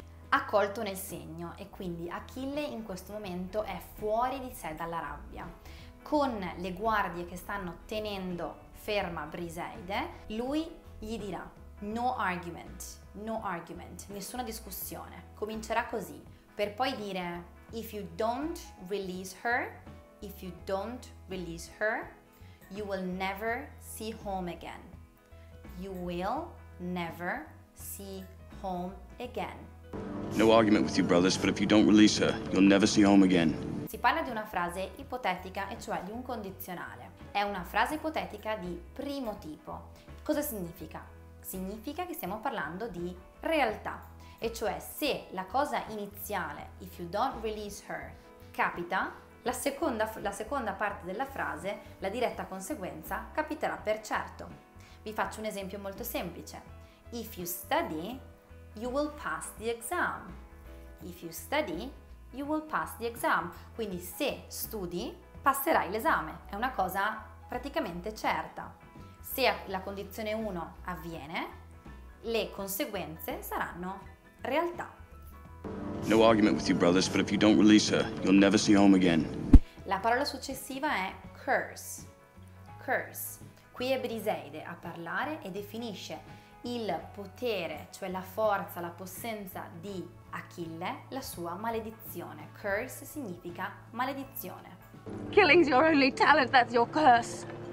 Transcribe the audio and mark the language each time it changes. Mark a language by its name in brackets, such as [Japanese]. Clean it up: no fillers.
[Italian] Ha colto nel segno e quindi Achille in questo momento è fuori di sé dalla rabbia. Con le guardie che stanno tenendo ferma Briseide, lui gli dirà [English] no argument, no argument, [Italian] nessuna discussione. Comincerà così, per poi dire [English] if you don't release her, if you don't release her, you will never see home again. You will never see home again. No argument with you brothers, but if you don't release her, you'll never see home again. [Italian] Si parla di una frase ipotetica, e cioè di un condizionale. È una frase ipotetica di primo tipo. Cosa significa? Significa che stiamo parlando di realtà. E cioè se la cosa iniziale, [English] if you don't release her, [Italian] capita, la seconda parte della frase, la diretta conseguenza, capiterà per certo. Vi faccio un esempio molto semplice. [English] If you study, you will pass the exam. If you study, you will pass the exam. [Italian] Quindi se studi, passerai l'esame. È una cosa praticamente certa. Se la condizione 1 avviene, le conseguenze saranno realtà. [English] No argument with you brothers, but if you don't release her, you'll never see home again. [Italian] La parola successiva è curse. Curse. Qui è Briseide a parlare e definisce il potere, cioè la forza, la possenza di Achille la sua maledizione. Curse significa maledizione. [English] Killing's your only talent, that's your curse.